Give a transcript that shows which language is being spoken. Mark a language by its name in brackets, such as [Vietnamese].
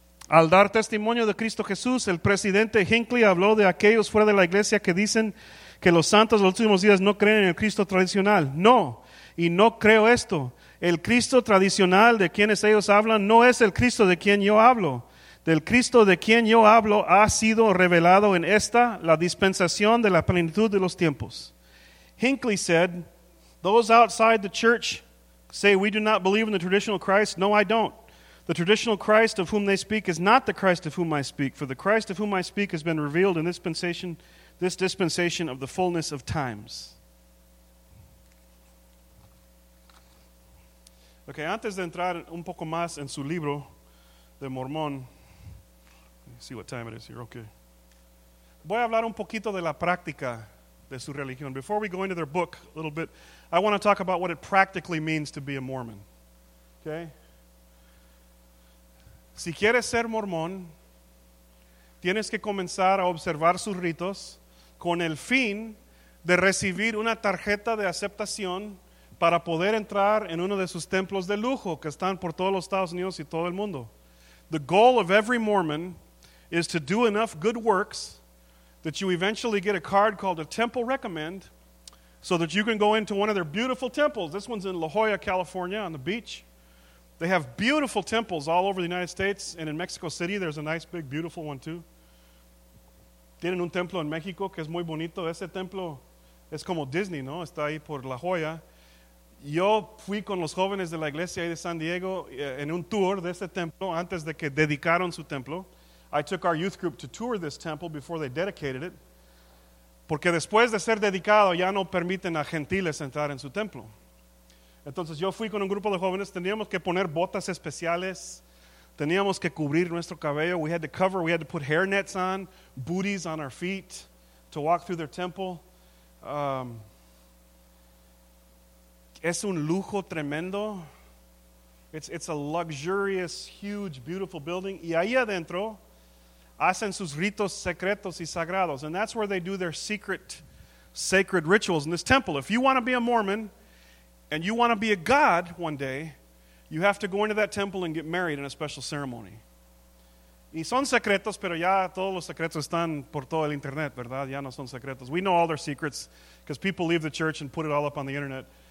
[Spanish] Al dar testimonio de Cristo Jesús, el presidente Hinckley habló de aquellos fuera de la iglesia que dicen que los santos de los últimos días no creen en el Cristo tradicional. No, y no creo esto. El Cristo tradicional de quienes ellos hablan no es el Cristo de quien yo hablo. Del Cristo de quien yo hablo ha sido revelado en esta, la dispensación de la plenitud de los tiempos. [English] Hinckley said, those outside the church say we do not believe in the traditional Christ. No, I don't. The traditional Christ of whom they speak is not the Christ of whom I speak. For the Christ of whom I speak has been revealed in this dispensation of the fullness of times. [Spanish] Ok, antes de entrar un poco más en su libro de Mormón, [English] see what time it is here, okay. [Spanish] Voy a hablar un poquito de la práctica de su religión. [English] Before we go into their book a little bit, I want to talk about what it practically means to be a Mormon. Okay? [Spanish] Si quieres ser Mormón, tienes que comenzar a observar sus ritos con el fin de recibir una tarjeta de aceptación para poder entrar en uno de sus templos de lujo que están por todos los Estados Unidos y todo el mundo. [English] The goal of every Mormon is to do enough good works that you eventually get a card called a temple recommend so that you can go into one of their beautiful temples. This one's in La Jolla, California, on the beach. They have beautiful temples all over the United States, and in Mexico City, there's a nice, big, beautiful one, too. [Spanish] Tienen un templo en México que es muy bonito. Ese templo es como Disney, ¿no? Está ahí por La Jolla. Yo fui con los jóvenes de la iglesia ahí de San Diego en un tour de ese templo antes de que dedicaron su templo. [English] I took our youth group to tour this temple before they dedicated it. [Spanish] Porque después de ser dedicado, ya no permiten a gentiles entrar en su templo. Entonces yo fui con un grupo de jóvenes, teníamos que poner botas especiales, teníamos que cubrir nuestro cabello, [English] we had to put hair nets on, booties on our feet to walk through their temple. [Spanish] Es un lujo tremendo. [English] It's a luxurious, huge, beautiful building. [Spanish] Y ahí adentro hacen sus ritos secretos y sagrados. [English] And that's where they do their secret, sacred rituals in this temple. If you want to be a Mormon and you want to be a god one day, you have to go into that temple and get married in a special ceremony. [Spanish] Y son secretos, pero ya todos los secretos están por todo el internet, ¿verdad? Ya no son secretos. [English] We know all their secrets because people leave the church and put it all up on the internet.